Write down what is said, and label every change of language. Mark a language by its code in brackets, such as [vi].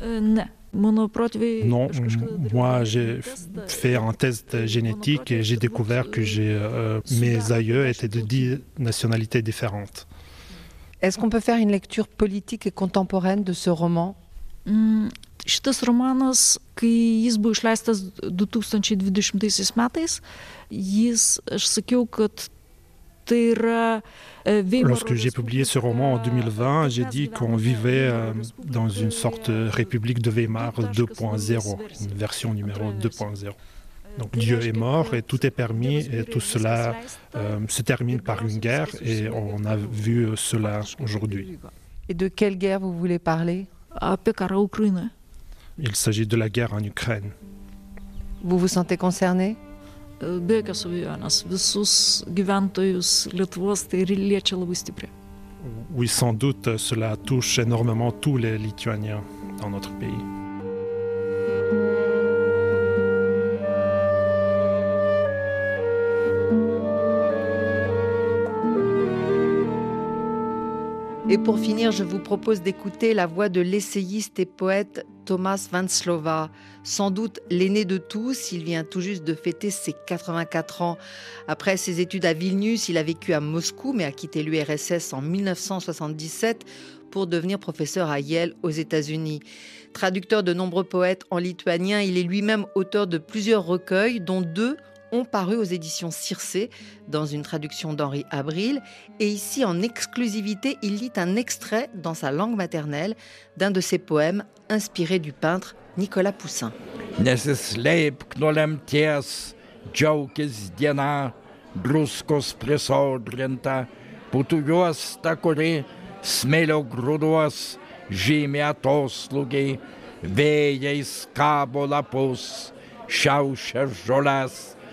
[fr] Non, moi j'ai fait un test génétique et j'ai découvert que mes aïeux étaient de 10 nationalités différentes. Est-ce qu'on peut faire une lecture politique et contemporaine de ce roman ? [lt] Šitas romanas, kai jis buvo išleistas 2020 metais, jis, aš sakiau, kad tai yra [fr] Lorsque j'ai publié ce roman en 2020, j'ai dit qu'on vivait dans une sorte République de Weimar 2.0, une version numéro 2.0. Donc Dieu est mort et tout est permis et tout cela se termine par une guerre et on a vu cela aujourd'hui. Et de quelle guerre vous voulez parler ? [lt] Apie karą Ukrainoje. [fr] Il s'agit de la guerre en Ukraine. Vous vous sentez concerné? [lt] Be jokios abejonės, visus gyventojus Lietuvos tai liečia labai stipriai. [fr] Oui, sans doute, cela touche énormément tous les Lituaniens dans notre pays. Et pour finir, je vous propose d'écouter la voix de l'essayiste et poète Tomas Venclova, sans doute l'aîné de tous. Il vient tout juste de fêter ses 84 ans. Après ses études à Vilnius, il a vécu à Moscou, mais a quitté l'URSS en 1977 pour devenir professeur à Yale aux États-Unis. Traducteur de nombreux poètes en lituanien, il est lui-même auteur de plusieurs recueils, dont deux ont paru aux éditions Circé, dans une traduction d'Henri Abril. Et ici, en exclusivité, il lit un extrait dans sa langue maternelle d'un de ses poèmes, inspiré du peintre Nicolas Poussin. [lt] Nesislėpk nuo lemties, džiaukis diena, druskos prisodrinta, putų juosta, kuri smėlio grūduos, žymi atoslūgiai, vėjais kabo lapus, šiaušia žolės.